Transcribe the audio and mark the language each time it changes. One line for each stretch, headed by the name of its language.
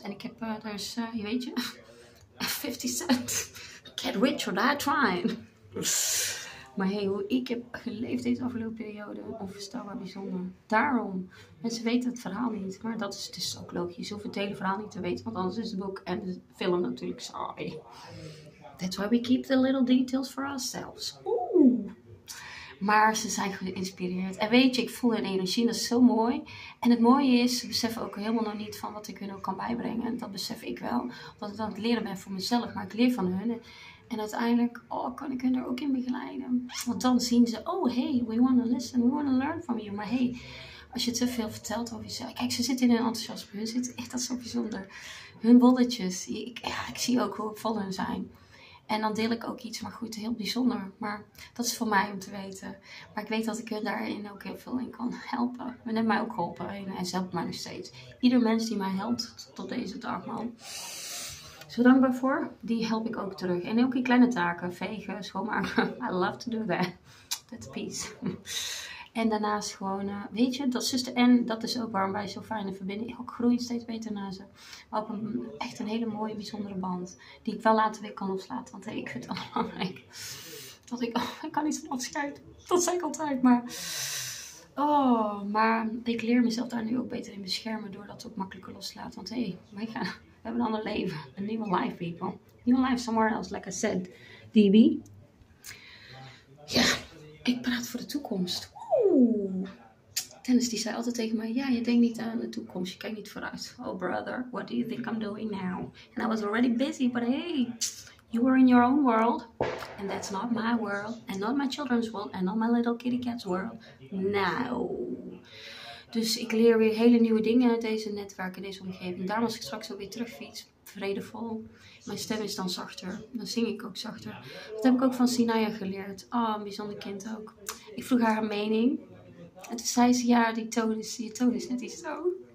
Dutch: En ik heb daar is, je weet je, 50 cent.
English: Get rich or die trying.
Dutch: Maar hey, hoe ik heb geleefd deze afgelopen periode, onvoorstelbaar bijzonder. Daarom, mensen weten het verhaal niet, maar dat is dus ook logisch. Je hoeft het hele verhaal niet te weten, want anders is het boek en de film natuurlijk saai.
English: That's why we keep the little details for ourselves. Oeh.
Dutch: Maar ze zijn geïnspireerd. En weet je, ik voel hun energie, dat is zo mooi. En het mooie is, ze beseffen ook helemaal nog niet van wat ik hun ook kan bijbrengen. En dat besef ik wel, omdat ik aan het leren ben voor mezelf, maar ik leer van hun. En uiteindelijk, oh, kan ik hen daar ook in begeleiden? Want dan zien ze, oh, hey,
English: we want to listen, we want to learn from you.
Dutch: Maar hey, als je te veel vertelt over jezelf... Kijk, ze zitten in hun enthousiasme, hun zitten echt, dat is zo bijzonder. Hun bolletjes, ik zie ook hoe vol hun zijn. En dan deel ik ook iets, maar goed, heel bijzonder. Maar dat is voor mij om te weten. Maar ik weet dat ik hen daarin ook heel veel in kan helpen. Men heeft mij ook geholpen en ze helpt mij nog steeds. Ieder mens die mij helpt tot deze dag, man... Zo dankbaar voor. Die help ik ook terug. En ook in kleine taken. Vegen, schoonmaken.
English: I love to do that. That's peace.
Dutch: En daarnaast gewoon, weet je, dat zuster Anne, dat is ook waarom wij zo fijne verbinding. Ik groei steeds beter naar ze. Maar op een echt een hele mooie, bijzondere band. Die ik wel later weer kan loslaten. Want hey, ik vind het wel belangrijk. Dat ik, oh, ik kan niet van afscheiden. Dat zei ik altijd, maar... Oh, maar ik leer mezelf daar nu ook beter in beschermen. Door dat ook makkelijker los te laten. Want hey, wij gaan... We hebben een ander leven. Een nieuwe
English: life, people. Nieuwe life somewhere else, like I said. DB.
Dutch: Ja, ik praat voor de toekomst. Dennis, die zei altijd tegen mij... Ja, je denkt niet aan de toekomst. Je kijkt niet vooruit.
English: Oh, brother. What do you think I'm doing now? And I was already busy. But hey, you were in your own world. And that's not my world. And not my children's world. And not my little kitty cat's world. Now...
Dutch: Dus ik leer weer hele nieuwe dingen uit deze netwerk in deze omgeving. Daarom als ik straks ook weer terugfiets, vredevol. Mijn stem is dan zachter. Dan zing ik ook zachter. Dat heb ik ook van Sinaya geleerd. Oh, een bijzonder kind ook. Ik vroeg haar mening. En toen zei ze, ja, die toon is, je toon is net iets zo.